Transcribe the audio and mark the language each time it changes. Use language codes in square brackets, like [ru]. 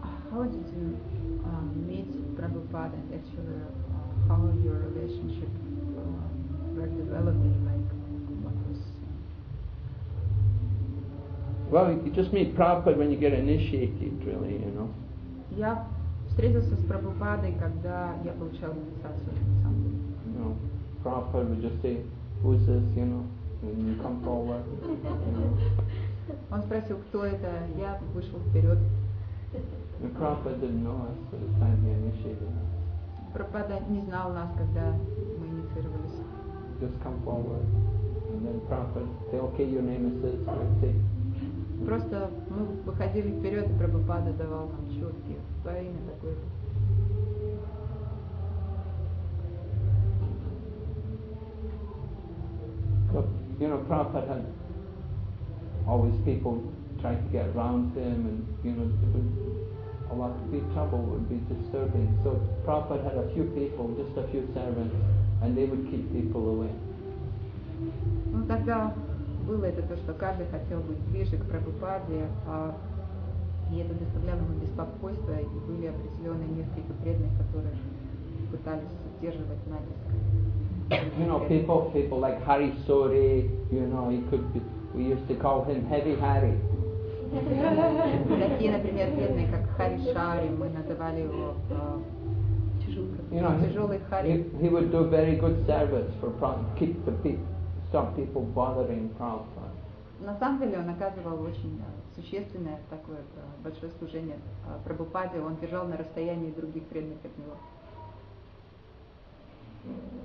[en] How did you meet Prabhupada, and actually how your relationship were developing, like what was... Well, you just meet Prabhupada when you get initiated, really, you know. [ru] Я встретился с Прабхупадой, когда я получал инициацию, [en] you know, Prabhupada would just say, who is this, you know, and you come forward, you know. [ru] Он спросил, кто это, я вышел вперед. [en] The Prabhupada didn't know us at the time he initiated us. [ru] Prabhupada не знал нас, когда мы инициировались. [en] Just come forward. And then Prabhupada say, okay, your name is this, let's see. [ru] Просто мы выходили вперед, и Прабхупада давал нам чётки. Твое имя такое. [en] You know, Prabhupada had always people trying to get around him, and, you know, a lot of trouble would be disturbing. So Prabhupada had a few people, just a few servants, and they would keep people away. [ru] Ну тогда было это то, что каждый хотел быть ближе к Прабхупаде, и это доставляло ему беспокойство, и были определенные несколько преданных, которые пытались удерживать натиск. [en] You know, people like Hari Suri, you know, he could be, we used to call him Heavy Hari. [ru] Такие, например, бедные, как Хари Шари, мы называли его тяжелый Хари. [en] He would do very good service for Prabhupada, keep the some people bothering Prabhupada. [ru] На самом деле он оказывал очень существенное такое большое служение Прабхупаде, он держал на расстоянии других преданных от него.